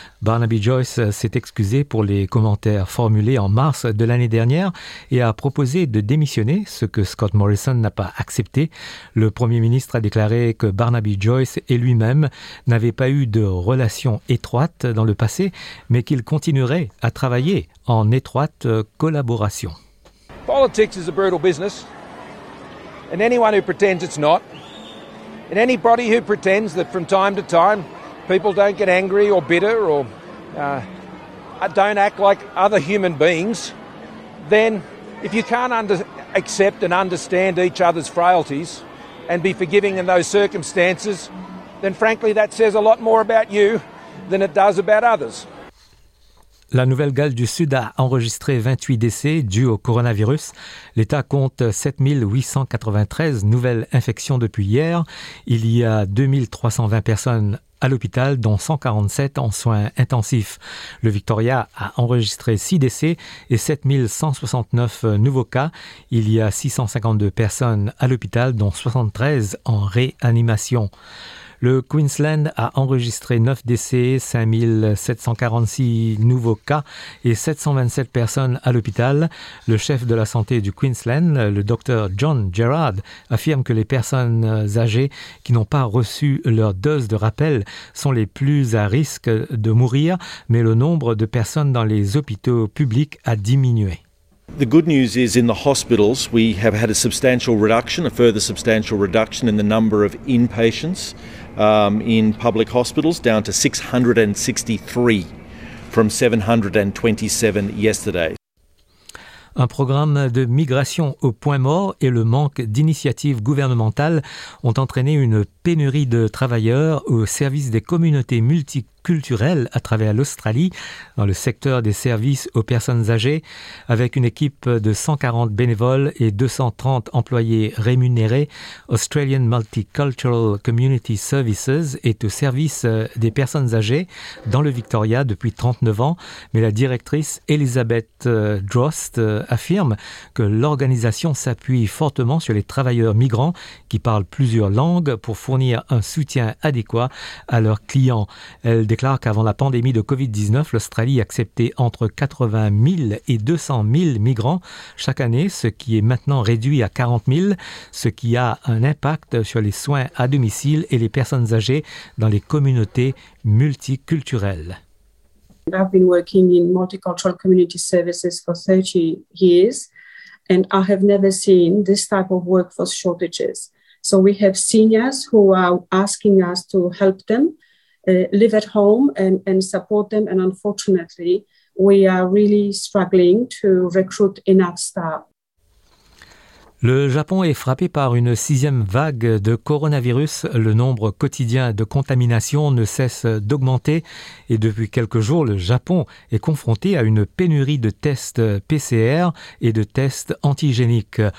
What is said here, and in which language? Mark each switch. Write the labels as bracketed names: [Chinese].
[French] Barnaby Joyce s'est excusé pour les commentaires formulés en mars de l'année dernière et a proposé de démissionner, ce que Scott Morrison n'a pas accepté. Le Premier ministre a déclaré que Barnaby Joyce et lui-même n'avaient pas eu de relations étroites dans le passé, mais qu'ils continueraient à travailler en étroite collaboration. [English] Politics is a brutal business. And anyone who pretends it's not, and anybody who pretends that from time to time people don't get angry or bitter or don't act like other human beings, then if you can't accept and understand each other's frailties and be forgiving in those circumstances, then frankly that says a lot more about you than it does about others. [French] La Nouvelle-Galles du Sud a enregistré 28 décès dus au coronavirus. L'État compte 7893 nouvelles infections depuis hier. Il y a 2320 personnes à l'hôpital, dont 147 en soins intensifs. Le Victoria a enregistré 6 décès et 7169 nouveaux cas. Il y a 652 personnes à l'hôpital, dont 73 en réanimation. Le Queensland a enregistré 9 décès, 5746 nouveaux cas et 727 personnes à l'hôpital. Le chef de la santé du Queensland, le docteur John Gerrard, affirme que les personnes âgées qui n'ont pas reçu leur dose de rappel sont les plus à risque de mourir, mais le nombre de personnes dans les hôpitaux publics a diminué. [English] The good news is in the hospitals we have had a substantial reduction, a further substantial reduction in the number of inpatients in public hospitals, down to 663 from 727 yesterday. [French] Un programme de migration au point mort et le manque d'initiatives gouvernementales ont entraîné une pénurie de travailleurs au service des communautés multiculturelles à travers l'Australie, dans le secteur des services aux personnes âgées. Avec une équipe de 140 bénévoles et 230 employés rémunérés, Australian Multicultural Community Services est au service des personnes âgées dans le Victoria depuis 39 ans. Mais la directrice Elizabeth Drost affirme que l'organisation s'appuie fortement sur les travailleurs migrants qui parlent plusieurs langues pour fournir un soutien adéquat à leurs clients. Elle déclare qu'avant la pandémie de COVID-19, l'Australie acceptait entre 80 000 et 200 000 migrants chaque année, ce qui est maintenant réduit à 40 000, ce qui a un impact sur les soins à domicile et les personnes âgées dans les communautés multiculturelles. [English] I've been working in multicultural community services for 30 years and I have never seen this type of workforce shortages. So we have seniors who are asking us to help them live at home and support them. And unfortunately, we are really struggling to recruit enough staff. [French] Le Japon est frappé par une sixième vague de coronavirus. Le nombre quotidien de contaminations ne cesse d'augmenter. Et depuis quelques jours, le Japon est confronté à une pénurie de tests PCR et de tests antigéniques.